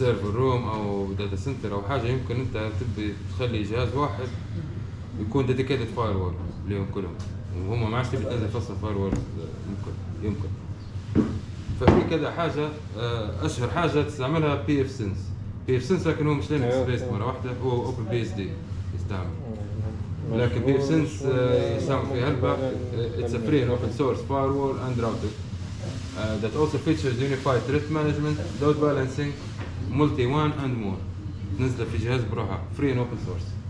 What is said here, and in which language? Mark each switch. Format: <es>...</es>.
<ar>سيرفر روم او داتا سنتر او حاجه، يمكن انت تبي تخلي جهاز واحد يكون ديديكيتد فاير وول اليوم كلهم، وهم ما عادش تبي تنزل فصل فاير وول. ممكن يمكن ففي كذا حاجه، اشهر حاجه تستعملها بي اف سنس. بي اف سنس لكن هو مش لينكس بيست مره واحده، هو اوبن بي اس دي يستعمل، لكن بي اف سنس يستعمل في هلبا.</ar> <en>It's free open source firewall and router that also features unified threat management, load balancing, multi WAN and more.</en> <ar>نزل في جهاز بروحه</ar> <en>free and open source.</en>